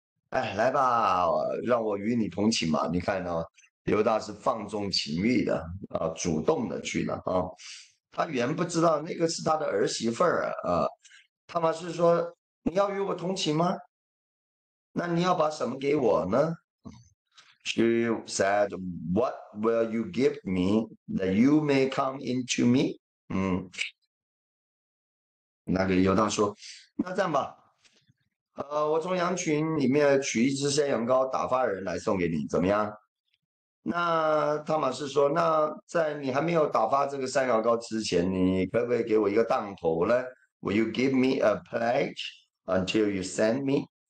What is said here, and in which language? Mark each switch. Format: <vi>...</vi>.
<zh>哎，来吧，让我与你同情嘛。你看呢、啊，犹大是放纵情欲的啊，主动的去了啊。他原不知道那个是他的儿媳妇儿啊。他妈是说你要与我同情吗？那你要把什么给我呢？</zh> <en>She said, "What will you give me that you may come into me?"</en> <zh>那个犹大说，那这样吧，我从羊群里面取一只山羊羔，打发人来送给你，怎么样？那汤马士说，那在你还没有打发这个山羊羔之前，你可不可以给我一个当头呢？</zh> <en>Will you give me a pledge until you send me?</en>